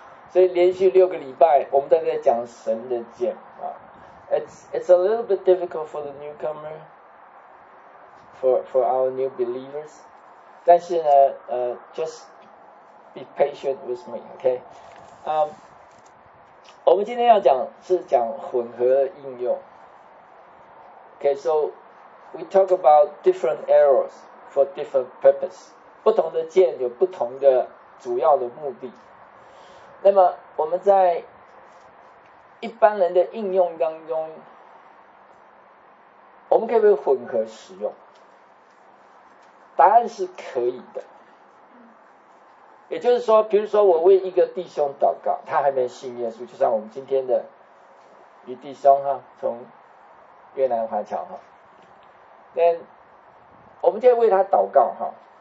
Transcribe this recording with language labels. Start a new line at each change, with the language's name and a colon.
Chinese: 所以连续六个礼拜我们都在讲神的箭啊。
English: It's a little bit difficult for the newcomer, for our new believers.
Chinese: 但是呢
English: just,Be patient with me, okay?
Chinese: 我们今天要讲是讲混合应用。
English: Okay, so we talk about different arrows for different purpose.
Chinese: 不同的箭有不同的主要的目的。那么我们在一般人的应用当中，我们可不可以混合使用？答案是可以的。也就是说，比如说我为一个弟兄祷告，他还没信耶稣，就像我们今天的一弟兄哈，从越南华侨哈，那我们就为他祷告哈。